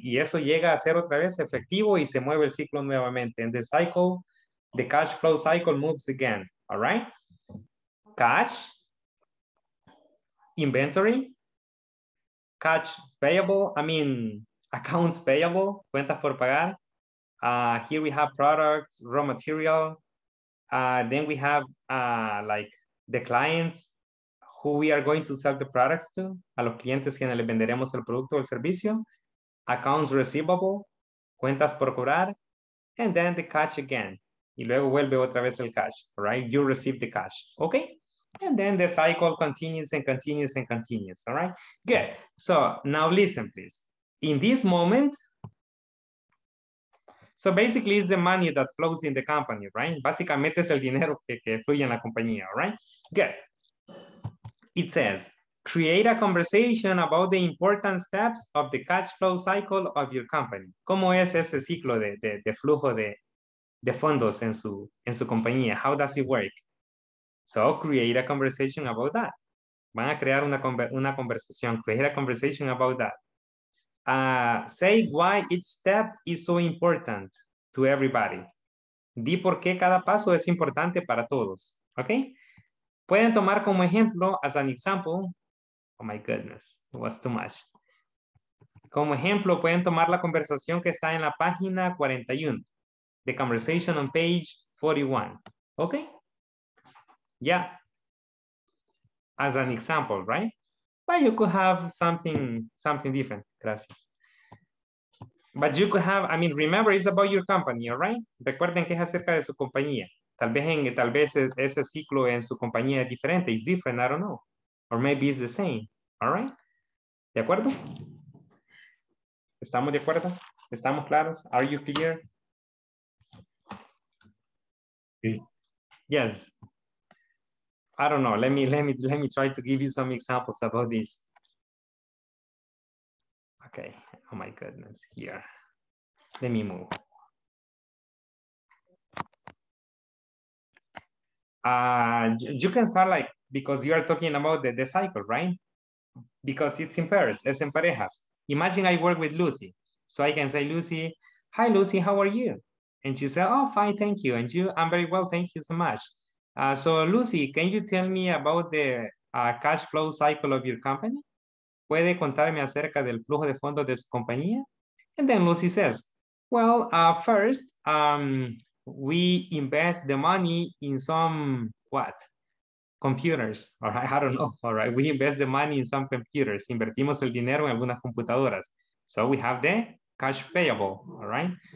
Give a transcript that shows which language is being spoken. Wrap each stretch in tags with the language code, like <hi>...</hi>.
<es>Y eso llega a ser otra vez efectivo y se mueve el ciclo nuevamente.</es> <en>And the cycle, the cash flow cycle moves again. All right? Cash, inventory, cash payable, I mean, accounts payable,</en> <es>cuentas por pagar.</es> <en>Here we have products, raw material. Then we have like the clients, who we are going to sell the products to,</en> <es>a los clientes quienes le venderemos el producto o el servicio,</es> <en>accounts receivable,</en> <es>cuentas por cobrar,</es> <en>and then the cash again.</en> <es>Y luego vuelve otra vez el cash, right?</es> <en>You receive the cash, okay? And then the cycle continues and continues and continues, all right? Good, so now listen, please. In this moment, so basically it's the money that flows in the company, right?</en> <es>Básicamente es el dinero que fluye en la compañía,</es> <en>all right? Good. It says, create a conversation about the important steps of the cash flow cycle of your company.</en> <es>¿Cómo es ese ciclo de flujo de fondos en su compañía?</es> <en>How does it work? So create a conversation about that.</en> <es>Van a crear una conversación.</es> <en>Create a conversation about that. Say why each step is so important to everybody.</en> <es>Di por qué cada paso es importante para todos.</es> <en>Okay?</en> <es>Pueden tomar como ejemplo,</es> <en>as an example, oh my goodness, it was too much.</en> <es>Como ejemplo, pueden tomar la conversación que está en la página 41,</es> <en>the conversation on page 41,</en> <es>okay?</es> <en>Yeah, as an example, right? But you could have something different, gracias. But you could have, I mean, remember, it's about your company, all right?</en> <es>Recuerden que es acerca de su compañía. Tal vez ese ciclo en su compañía es diferente.</es> <en>It's different, I don't know. Or maybe it's the same. All right?</en> <es>¿De acuerdo? ¿Estamos de acuerdo? ¿Estamos claros?</es> <en>Are you clear?</en> <es>Sí.</es> <en>Yes. I don't know. Let me try to give you some examples about this. Okay. Oh my goodness. Here. Let me move. You can start like, because you are talking about the cycle, right? Because it's in pairs,</en> <es>es en parejas.</es> <en>Imagine I work with Lucy. So I can say, Lucy, hi Lucy, how are you? And she said, oh, fine, thank you. And you, I'm very well, thank you so much. So Lucy, can you tell me about the cash flow cycle of your company?</en> <es>¿Puede contarme acerca del flujo de fondos de su compañía?</es> <en>And then Lucy says, well, first, we invest the money in some what? Computers, or I don't know, all right? We invest the money in some computers.</en> <es>Invertimos el dinero en algunas computadoras.</es> <en>So we have the cash payable, all right?</en>